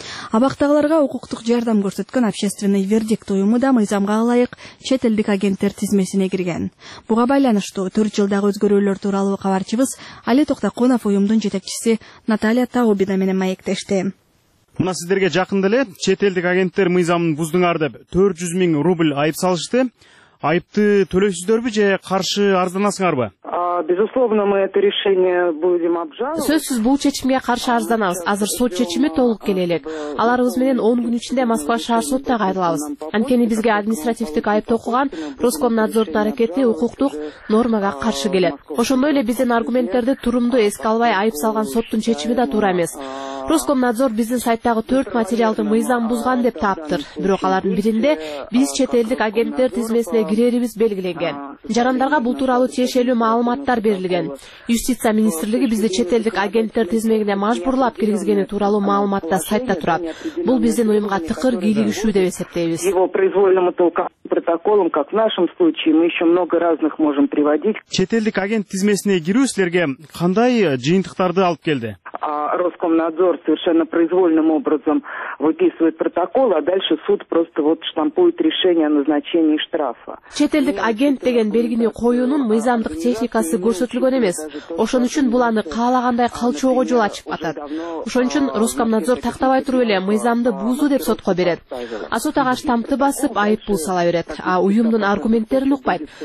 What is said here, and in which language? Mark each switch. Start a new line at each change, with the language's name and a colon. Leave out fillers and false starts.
Kyrgyz: Абактагыларга укуктук жардам көрсөткөн общественный вердикт уюму да мыйзамга ылайык чет элдик агенттер тизмесине кирген. Буга байланыштуу 4 жылдагы өзгөрүүлөр тууралуу кабарчыбыз Али Токтоконов уюмдун жетекчиси Наталья Таубина менен маектешти. Мына сиздерге жакын эле чет элдик агенттер мыйзамын буздуңар деп 400 000 рубль айып салышты. Айыпты төлөйсүздөрбү же каршы арызданасыңарбы?
Russian: Безусловно, мы это решение будем обжаловать.
Kyrgyz: Сөзсүз бул чечимге каршы арызданабыз. Азыр сот чечими толук келе элек. Аларыбыз менен 10 күн ичинде Москва шаар сотуна кайрылабыз. Анткени бизге административдик айып токулган Роскомнадзордун аракети укуктук нормага каршы келет. Ошондой эле биздин аргументтерди турумду эске албай айып салган соттун чечими да туура эмес. Роскомнадзор биздин сайттагы 4 материалды мыйзам бузган деп таптыр. Бирок алардын биринде биз чет элдик агенттер тизмесине кирерибиз белгиленген. Жарандарга бул тууралуу тиешелүү маалыматтар берилген. Юстиция министрлиги бизди чет элдик агенттер тизмегине мажбурлап киргизгени тууралуу маалымат да сайтта турат. Бул биздин уюмга тыкыр кийлигишүү деп эсептейбиз.
Russian: Его произвольному толкам протоколом, как в нашем случае, мы еще много разных можем приводить.
Kyrgyz: Чет элдик агент тизмесине кирүү силерге кандай жыйынтыктарды алып келди?
Russian: Роскомнадзор совершенно произвольным образом выписывает протокол, а дальше суд просто вот штампует решение о назначении штрафа.
Kyrgyz: Чет элдик агент деген белгини коюунун мыйзамдык техникасы көрсөтүлгөн эмес. Ошон үчүн бул аны каалагандай калчоого жол ачып атат. Ошон үчүн Роскомнадзор тактабай туруп эле мыйзамды бузуу деп сотко берет. А сот ага штампты басып айыппул сала берет. А уюмдун аргументтерин укпайт.